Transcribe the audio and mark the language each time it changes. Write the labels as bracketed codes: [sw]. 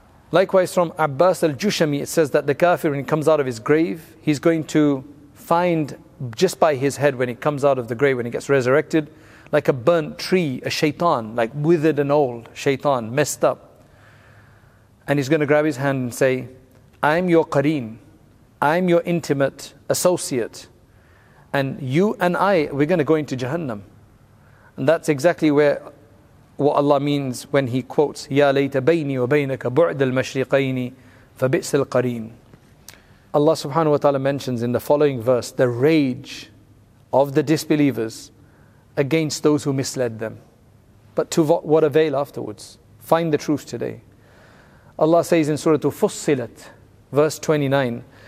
[en] Likewise, from Abbas al-Jushami, it says that the kafir, when he comes out of his grave, he's going to find just by his head when he comes out of the grave, when he gets resurrected, like a burnt tree, a shaitan, like withered and old, shaitan, messed up. And he's going to grab his hand and say, I'm your qareen, I'm your intimate associate, and you and I, we're going to go into Jahannam. And that's exactly where what Allah means when He quotes [ar] يَا لَيْتَ بَيْنِي وَبَيْنَكَ بُعْدَ الْمَشْرِقَيْنِ فَبِئْسَ الْقَرِينِ. [en] Allah subhanahu wa ta'ala mentions in the following verse the rage of the disbelievers against those who misled them. But to what avail afterwards? Find the truth today. Allah says in Surah Fussilat, verse 29,